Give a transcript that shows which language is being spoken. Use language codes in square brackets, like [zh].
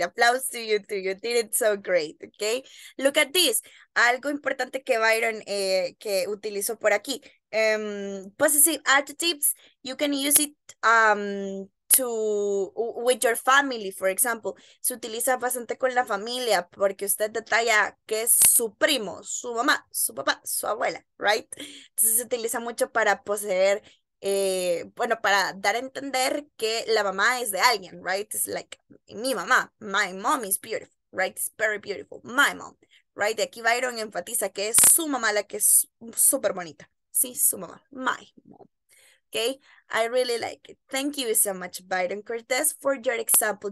[en] Applause to you too. You did it so great. Okay. Look at this. [es] Algo importante que Byron que utilizó por aquí. [en] Possessive adjectives, you can use it to with your family, for example. [es] Se utiliza bastante con la familia porque usted detalla que es su primo, su mamá, su papá, su abuela, right? Entonces se utiliza mucho para poseer, bueno, para dar a entender que la mamá es de alguien, right? [en] It's like [es] mi mamá, [en] my mom is beautiful, right? It's very beautiful, my mom, right? [es] Y aquí Byron enfatiza que es su mamá la que es súper bonita. Sí, su mamá. [en] My mom. Okay, I really like it. Thank you so much, Byron Cortez, for your example.